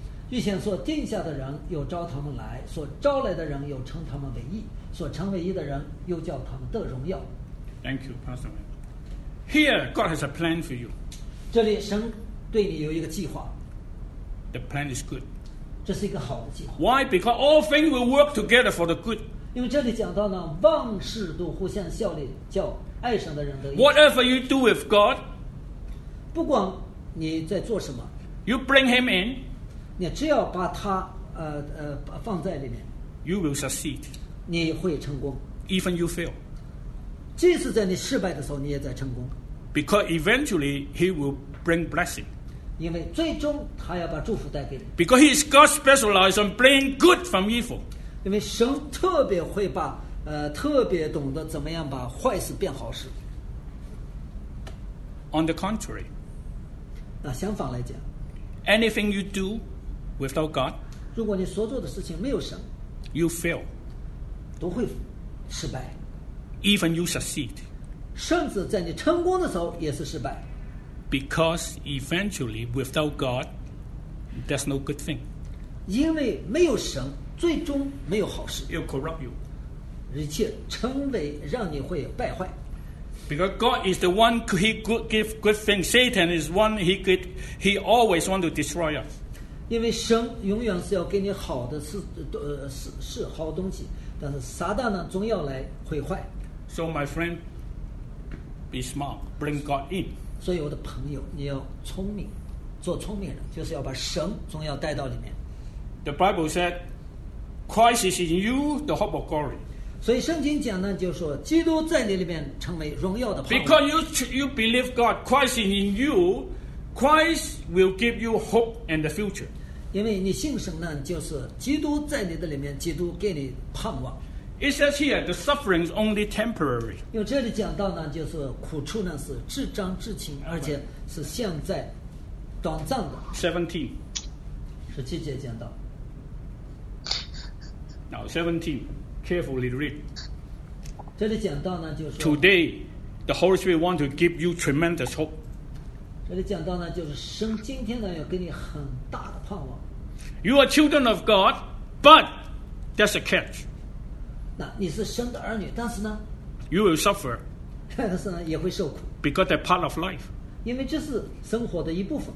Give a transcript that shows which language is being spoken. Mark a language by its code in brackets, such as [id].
[zh] 预先所定下的人又招他们来，所招来的人又称他们为义，所称为义的人又叫他们得荣耀。 [en] Thank you, Pastor. Here, God has a plan for you. [zh] 这里神对你有一个计划。 [en] The plan is good. [zh] 这是一个好的计划。 [en] Why? Because all things will work together for the good. [zh] 因为这里讲到呢，万事都互相效力，叫爱神的人得益。 [en] Whatever you do with God, [zh] 不管你在做什么 [en] ？You bring him in， [zh] 你只要把他放在里面 [en] ，You will succeed， [zh] 你会成功。 [en] Even you fail， [zh] 即使在你失败的时候，你也在成功。 [en] Because eventually he will bring blessing， [zh] 因为最终他要把祝福带给你。 [en] Because he is God specialized on bringing good from evil， [zh] 因为神特别会把特别懂得怎么样把坏事变好事。 [en] On the contrary。 [zh] 那相反来讲 [en] ，anything you do without God， [zh] 如果你所做的事情没有神 [en] ，you fail， [zh] 都会失败 [en] ；even you succeed， [zh] 甚至在你成功的时候也是失败。 [en] Because eventually without God， there's no good thing。 [zh] 因为没有神，最终没有好事。 [en] It'll corrupt you， [zh] 一切成为让你会败坏。 [en] Because God is the one He could give good things. Satan is one He could He always want to destroy us. [zh] 因为神永远是要给你好的是是好东西，但是撒旦呢总要来毁坏。 [en] So my friend, be smart. Bring God in. [zh] 所以我的朋友，你要聪明，做聪明人，就是要把神总要带到里面。 [en] The Bible said, "Christ is in you, the hope of glory." [zh] 所以圣经讲呢，就是说基督在你里面成为荣耀的盼望。 [en] Because you believe God, Christ is in you, Christ will give you hope and the future. [zh] 因为你信神呢，就是基督在你的里面，基督给你盼望。 [en] It says here the suffering is only temporary. [zh] 因为这里讲到呢，就是苦处呢是至彰至情，而且是现在短暂的。 [en] 17， [zh] 十七节讲到。 [en] Now 17。 Carefully read. [zh] 这里讲到呢，就是 [en] Today, the Holy Spirit want to give you tremendous hope. [zh] 这里讲到呢，就是神今天呢要给你很大的盼望。 [en] You are children of God, but that's a catch. [zh] 那你是神的儿女，但是呢 [en] ，You will suffer. [zh] 但是呢，也会受苦。 [en] Because that part of life. [zh] 因为这是生活的一部分。